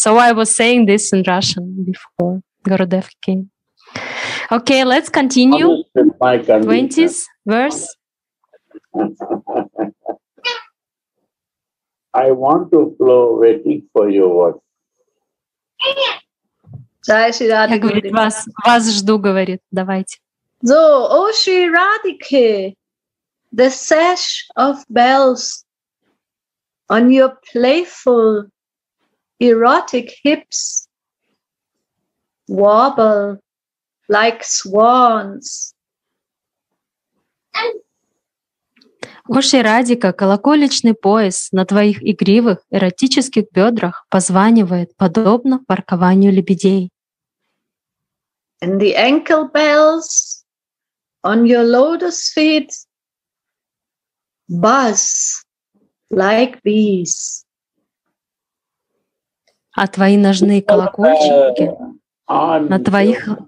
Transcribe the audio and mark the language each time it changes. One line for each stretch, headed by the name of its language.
English: So I was saying this in Russian before Gurudev came. Okay, let's continue. 20th verse. I want to flow waiting for your word.
Russian: Я говорю, вас жду, говорит, давайте.
English: So, O Sri Radhike, the sash of bells on your playful erotic hips wobble like swans.
Russian: О, Шри Радика, колокольчатый пояс на твоих игривых эротических бедрах позванивает подобно паркованию лебедей.
English: And the ankle bells on your lotus feet buzz like bees.
Russian: А твои ножные колокольчики на твоих...